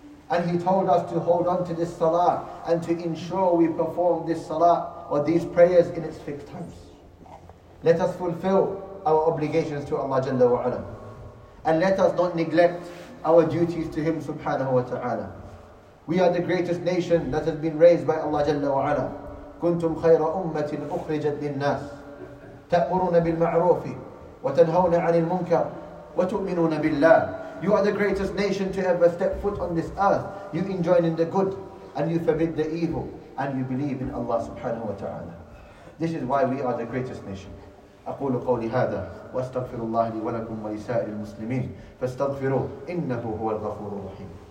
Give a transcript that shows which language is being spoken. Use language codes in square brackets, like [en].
[en] And he told us to hold on to this salah and to ensure we perform this salah or these prayers in its fixed times. Let us fulfill our obligations to Allah Jalla wa Ala. And let us not neglect our duties to Him subhanahu wa ta'ala. We are the greatest nation that has been raised by Allah Jalla wa Ala. [ar] كنتم خير أمة أخرجت للناس تأمرون بالمعروف وتنهون عن المنكر وتؤمنون بالله. [en] You are the greatest nation to ever step foot on this earth. You enjoin in the good and you forbid the evil and you believe in Allah subhanahu wa ta'ala. This is why we are the greatest nation. [ar] أقول قولي هذا وأستغفر الله لي ولكم ولسائر المسلمين فاستغفروه إنه هو الغفور الرحيم.